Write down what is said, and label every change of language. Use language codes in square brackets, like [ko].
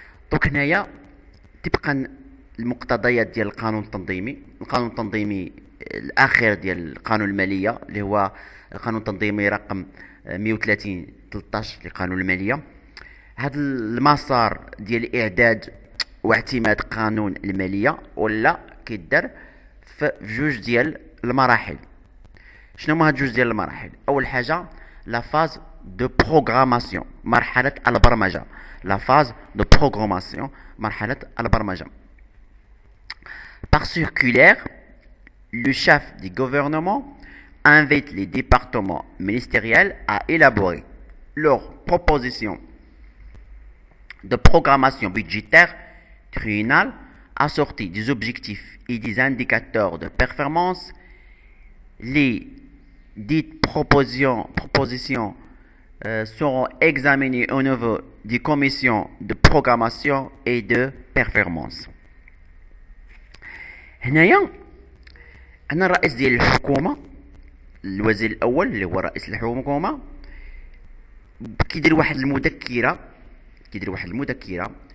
[ar] دونك هنايا طبقا المقتضيات ديال القانون التنظيمي، القانون التنظيمي الاخير ديال القانون الماليه اللي هو القانون التنظيمي رقم 130 13 لقانون الماليه، هذا المسار ديال اعداد واعتماد قانون الماليه ولا كيدار في جوج ديال المراحل. شنو هما هاد جوج ديال المراحل؟ اول حاجه [fr] لا فاز دو بروغراماسيون، [ar] مرحله البرمجه، لا فاز دو بروغراماسيون مرحلة البرمجة. [fr] Par circulaire, le chef du gouvernement invite les départements ministériels à élaborer leurs propositions de programmation budgétaire triennale assorties des objectifs et des indicateurs de performance. Les dites propositions seront examinées au niveau des commissions de programmation et de performance. [ar] هنايا انا الرئيس ديال الحكومه، الوزير الاول اللي هو رئيس الحكومه كيدير واحد المذكره، كيدير واحد المذكره